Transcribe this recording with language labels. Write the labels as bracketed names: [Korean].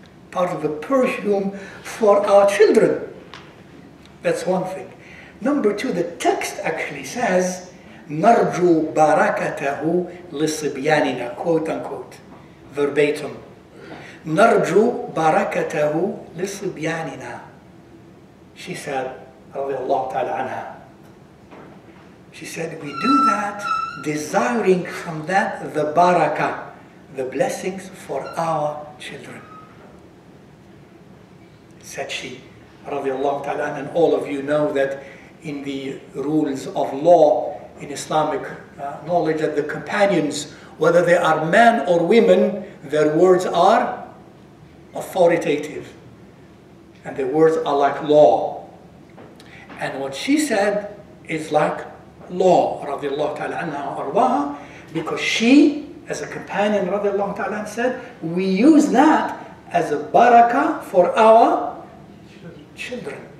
[English] Part of a perfume for our children. That's one thing. Number two, the text actually says, [Arabic] نرجو باركته لصبياننا, [English] quote unquote, verbatim. [Arabic] نرجو باركته لصبياننا. [English] She said, [Arabic] رضي الله تعالى عنها. [English] She said, we do that desiring from that the baraka, the blessings for our children. Said she, [Arabic] رضي الله تعالى عنها. [English] And all of you know that in the rules of law, in Islamic knowledge, that the companions, whether they are men or women, their words are authoritative. And their words are like law. And what she said is like law, radiallahu ta'ala anha wa arwaha, because she, as a companion, radiallahu ta'ala anha, said, we use that as a barakah for our children.